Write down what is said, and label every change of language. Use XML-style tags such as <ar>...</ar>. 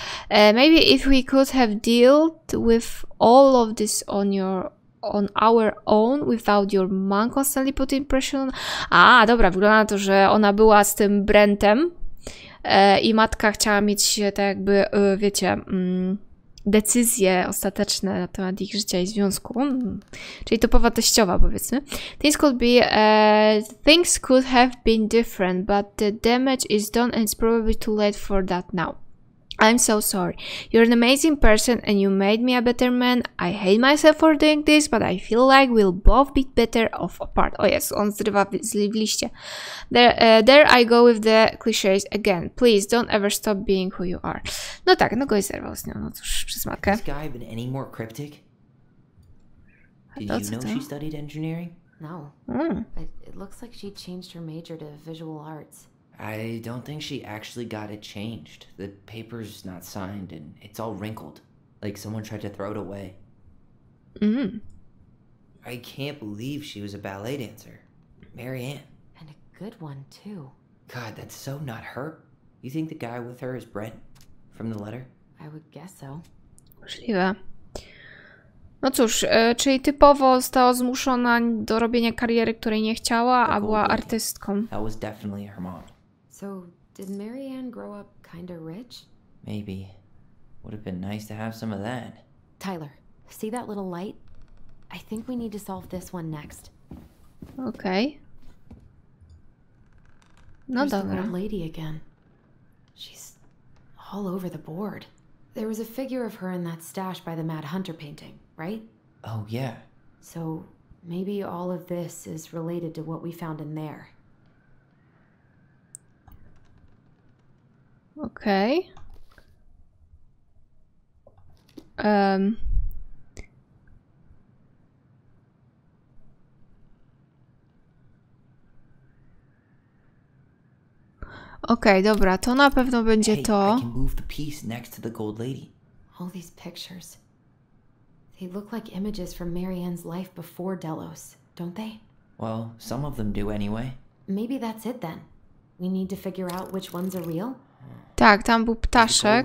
<en>Maybe if we could have dealt with all of this on your on our own without your mom constantly putting pressure on...</en> <pl>A, dobra, wygląda na to, że ona była z tym Brentem i matka chciała mieć tak jakby, wiecie, decyzje ostateczne na temat ich życia i związku. Czyli topowa teściowa, powiedzmy.</pl> <en>Things could be... things could have been different, but the damage is done and it's probably too late for that now. I'm so sorry. You're an amazing person and you made me a better man. I hate myself for doing this, but I feel like we'll both be better off apart. Oh yes,</en> <pl>on zrywa w liście.</pl> <en>There I go with the cliches again. Please don't ever stop being who you are.</en> <pl>No tak, no go i zerwał z nią. No cóż, przez matkę.</pl> <en>Has this guy been any more cryptic? Did you know she studied engineering? No. It looks like she changed her major to visual arts. I don't think she actually got it changed. The paper's not signed and it's all wrinkled. Like someone tried to throw it away. I can't believe she was a ballet dancer. Marianne. And a good one, too. God, that's so not her. You think the guy with her is Brent? From the letter? I would guess so.</en> <pl>Możliwe. No cóż, czyli typowo została zmuszona do robienia kariery, której nie chciała, a była artystką.</pl> <en>That was definitely her mom. So, did Marianne grow up kind of rich? Maybe. Would have been nice to have some of that. Tyler, see that little light? I think we need to solve this one next. Okay. No, there's the old lady again. She's all over the board. There was a figure of her in that stash by the Mad Hunter painting, right? Oh, yeah. So, maybe all of this is related to what we found in there.</en> <pl>Okej. Okej, dobra, to na pewno będzie to.</pl> <en>Hey, I can move the piece next to the gold lady. All these pictures. They look like images from Marianne's life before Delos, don't they? Well, some of them do anyway. Maybe that's it then. We need to figure out which ones are real.</en> <pl>Tak, tam był ptaszek.</pl>